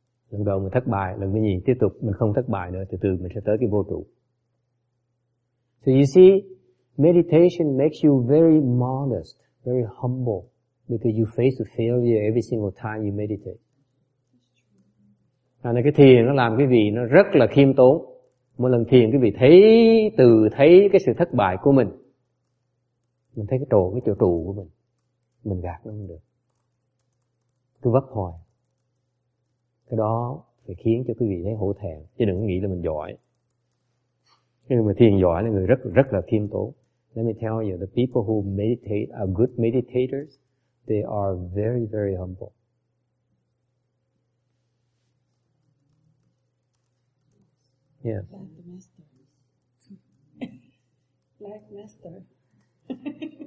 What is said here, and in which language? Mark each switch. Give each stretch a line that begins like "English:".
Vietnamese: Lần đầu mình thất bại, lần thứ nhì tiếp tục mình không thất bại nữa, từ từ mình sẽ tới cái vô trụ.
English: So you see, meditation makes you very modest, very humble, because you face the failure every single time you meditate.
Vietnamese: Nên cái thiền nó làm cái gì nó rất là khiêm tốn. Một lần thiền quý vị thấy cái sự thất bại của mình. Mình thấy cái chỗ trụ của mình. Mình gạt nó không được. Cứ vấp hoài. Cái đó phải khiến cho quý vị thấy hổ thẹn. Chứ đừng nghĩ là mình giỏi. Cái người mà thiền giỏi là người rất rất là khiêm tốn.
English: Let me tell you, the people who meditate are good meditators. They are very, very humble. Yeah. Like the master. Like master.